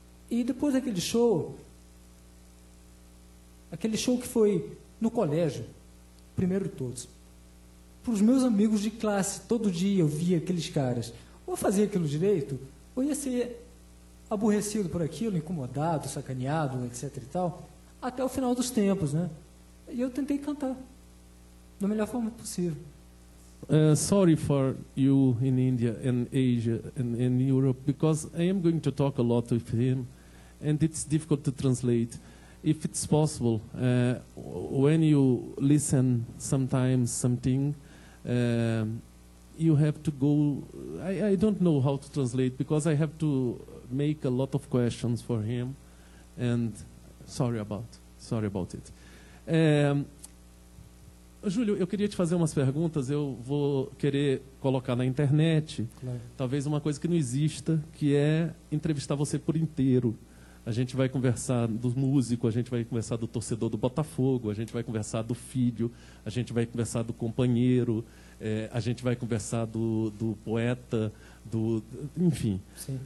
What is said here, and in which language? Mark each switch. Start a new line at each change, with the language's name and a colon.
Portuguese: E depois daquele show, aquele show que foi no colégio, primeiro de todos, para os meus amigos de classe, todo dia eu via aqueles caras, ou eu fazia aquilo direito, ou ia ser aborrecido por aquilo, incomodado, sacaneado, etc e tal, até o final dos tempos, né? E eu tentei cantar da melhor forma possível.
English: Sorry for you in India and Asia and in Europe, because I am going to talk a lot with him, and it's difficult to translate. If it's possible, when you listen sometimes something, you have to go. I don't know how to translate, because I have to make a lot of questions for him, and sorry about it.
Portuguese: Júlio, eu queria te fazer umas perguntas, eu vou querer colocar na internet, claro. Talvez uma coisa que não exista, que é entrevistar você por inteiro. A gente vai conversar do músico, a gente vai conversar do torcedor do Botafogo, a gente vai conversar do filho, a gente vai conversar do companheiro, a gente vai conversar do poeta, do, enfim. Sim.